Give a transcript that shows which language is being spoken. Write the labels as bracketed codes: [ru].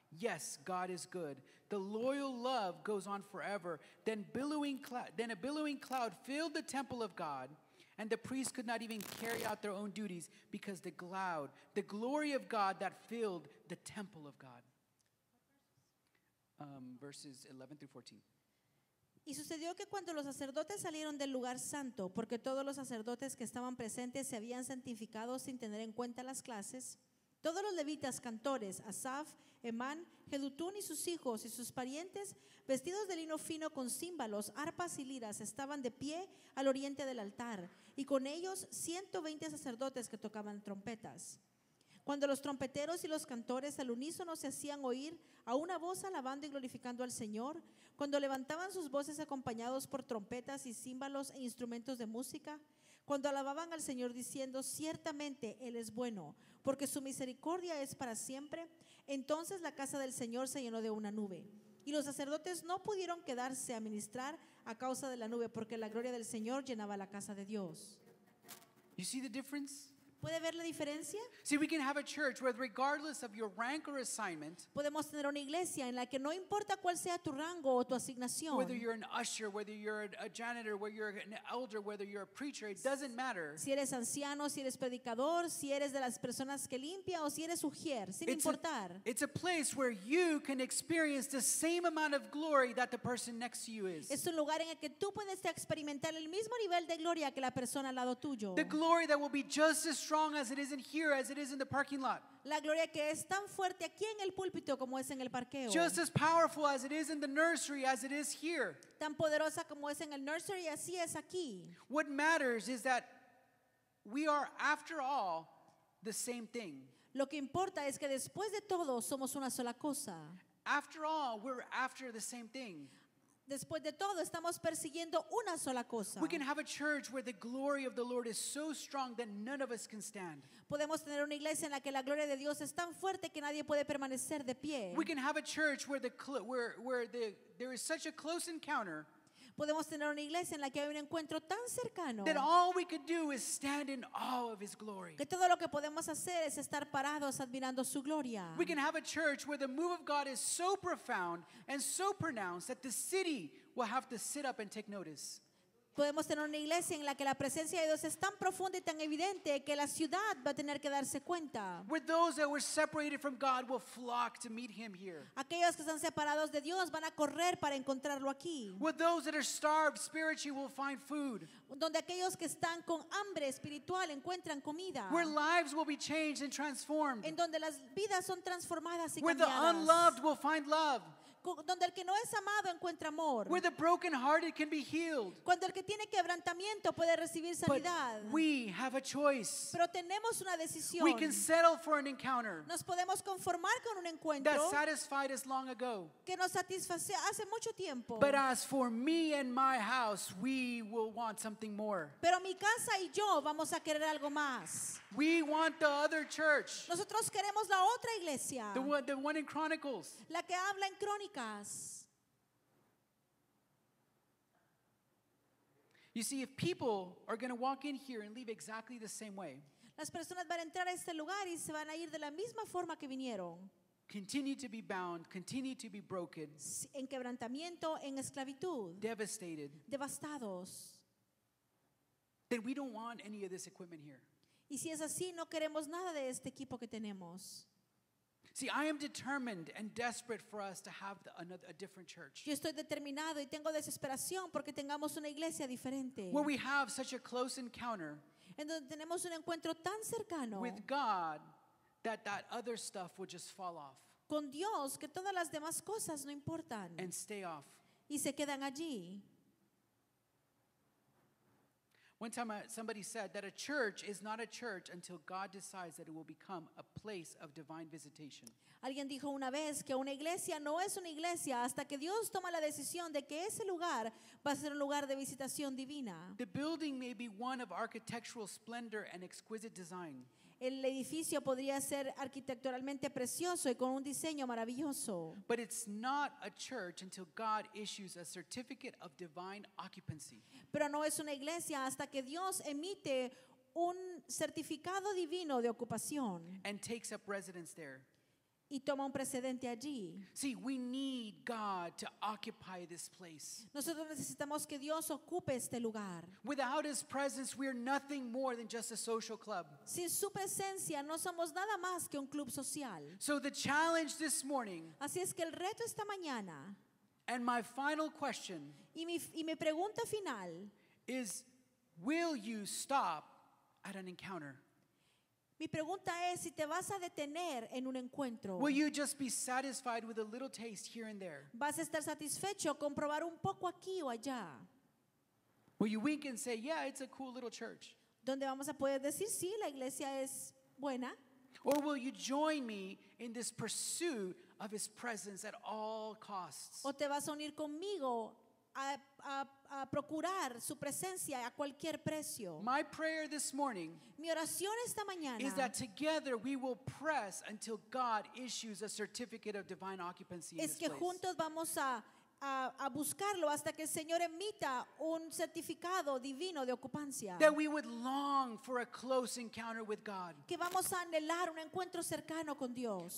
[en] Yes, God is good. The loyal love goes on forever. Then a billowing cloud filled the temple of God, and the priests could not even carry out their own duties because the glory of God that filled the temple of God." Verses 11 through 14. [es] Y sucedió que cuando los sacerdotes salieron del lugar santo, porque todos los sacerdotes que estaban presentes se habían santificado sin tener en cuenta las clases, todos los levitas cantores, Asaf, Emán, Jedutún y sus hijos y sus parientes, vestidos de lino fino con címbalos, arpas y liras, estaban de pie al oriente del altar, y con ellos 120 sacerdotes que tocaban trompetas. Cuando los trompeteros y los cantores al unísono se hacían oír a una voz alabando y glorificando al Señor, cuando levantaban sus voces acompañados por trompetas y címbalos e instrumentos de música, cuando alababan al Señor diciendo, ciertamente Él es bueno, porque su misericordia es para siempre, entonces la casa del Señor se llenó de una nube. Y los sacerdotes no pudieron quedarse a ministrar a causa de la nube, porque la gloria del Señor llenaba la casa de Dios. [en] You see the difference? [es] ¿Puede ver la diferencia? [en] See, we can have a church where regardless of your rank or assignment, [es] podemos tener una iglesia en la que no importa cuál sea tu rango o tu asignación, [en] whether you're an usher, whether you're a janitor, whether you're an elder, whether you're a preacher, it doesn't matter. [es] Si eres anciano, si eres predicador, si eres de las personas que limpia o si eres ujier, sin importar. [en] It's a place where you can experience the same amount of glory that the person next to you is. [es] Es un lugar en el que tú puedes experimentar el mismo nivel de gloria que la persona al lado tuyo. [en] The glory that will be just as strong strong as it is in here, as it is in the parking lot. [es] La gloria que es tan fuerte aquí en el púlpito como es en el parqueo. [en] Just as powerful as it is in the nursery, as it is here. [es] Tan poderosa como es en el nursery, así es aquí. [en] What matters is that we are, after all, the same thing. [es] Lo que importa es que después de todo somos una sola cosa. [en] After all, we're after the same thing. [es] Después de todo, estamos persiguiendo una sola cosa. [en] We can have a church where the glory of the Lord is so strong that none of us can stand. [es] Podemos tener una iglesia en la que la gloria de Dios es tan fuerte que nadie puede permanecer de pie. [en] We can have a church where there is such a close encounter. [es] Podemos tener una iglesia en la que hay un encuentro tan cercano. [en] That all we could do is stand in awe of His glory. [es] Que todo lo que podemos hacer es estar parados admirando su gloria. [en] We can have a church where the move of God is so profound and so pronounced that the city will have to sit up and take notice. [es] Podemos tener una iglesia en la que la presencia de Dios es tan profunda y tan evidente que la ciudad va a tener que darse cuenta. [en] Where those that were separated from God will flock to meet Him here. [es] Aquellos que están separados de Dios van a correr para encontrarlo aquí. [en] Where those that are starved spiritually will find food. [es] Donde aquellos que están con hambre espiritual encuentran comida. [en] Where lives will be changed and transformed. [es] En donde las vidas son transformadas y cambiadas. [en] Where the unloved will find love. [es] Donde el que no es amado encuentra amor. [en] Where the brokenhearted can be healed. [es] Cuando el que tiene quebrantamiento puede recibir sanidad. [en] But we have a choice. [es] Pero tenemos una decisión. [en] We can settle for an encounter. [es] Nos podemos conformar con un encuentro. [en] That satisfied us long ago. [es] Que nos satisface hace mucho tiempo. [en] But as for me and my house, we will want something more. [es] Pero mi casa y yo vamos a querer algo más. [en] We want the other church. [es] Nosotros queremos la otra iglesia. [en] The one in Chronicles. [es] La que habla en Crónicas. [en] You see, if people are going to walk in here and leave exactly the same way, [es] las personas van a entrar a este lugar y se van a ir de la misma forma que vinieron. [en] Continue to be bound, continue to be broken. [es] En quebrantamiento, en esclavitud. [en] Devastated. [es] Devastados. [en] Then we don't want any of this equipment here. [es] Y si es así, no queremos nada de este equipo que tenemos. [en] See, I am determined and desperate for us to have a different church. [es] Yo estoy determinado y tengo desesperación porque tengamos una iglesia diferente. [en] Where we have such a close encounter. [es] En donde tenemos un encuentro tan cercano. [en] With God, that other stuff would just fall off. [es] Con Dios que todas las demás cosas no importan. [en] And stay off. [es] Y se quedan allí. [en] One time somebody said that a church is not a church until God decides that it will become a place of divine visitation. [es] Alguien dijo una vez que una iglesia no es una iglesia hasta que Dios toma la decisión de que ese lugar va a ser un lugar de visitación divina. [en] The building may be one of architectural splendor and exquisite design. [es] El edificio podría ser arquitectonalmente precioso y con un diseño maravilloso. [en] But it's not a church until God issues a certificate of divine occupancy. [es] Pero no es una iglesia hasta que Dios emite un certificado divino de ocupación. [en] And takes up residence there. [es] Y toma un precedente allí. [en] See, we need God to occupy this place. [es] Nosotros necesitamos que Dios ocupe este lugar. [en] Without His presence, we are nothing more than just a social club. [es] Sin su presencia, no somos nada más que un club social. [en] So the challenge this morning. [es] Así es que el reto esta mañana. [en] And my final question. [es] Y mi pregunta final. [en] Is, will you stop at an encounter? [es] Mi pregunta es si te vas a detener en un encuentro. [en] Will you just be satisfied with a little taste here and there? [es] ¿Vas a estar satisfecho con probar un poco aquí o allá? [en] Will you wink and say, "Yeah, it's a cool little church"? [es] ¿Dónde vamos a poder decir sí, la iglesia es buena? [en] Or will you join me in this pursuit of His presence at all costs? [es] ¿O te vas a unir conmigo a procurar su presencia a cualquier precio? [en] My prayer this morning, [es] mi oración esta mañana, [en] is that together we will press until God issues a certificate of divine occupancy in this place. [es] Es que juntos vamos a buscarlo hasta que el Señor emita un certificado divino de ocupancia. [en] That we would long for a close encounter with God. [es] Que vamos a anhelar un encuentro cercano con Dios.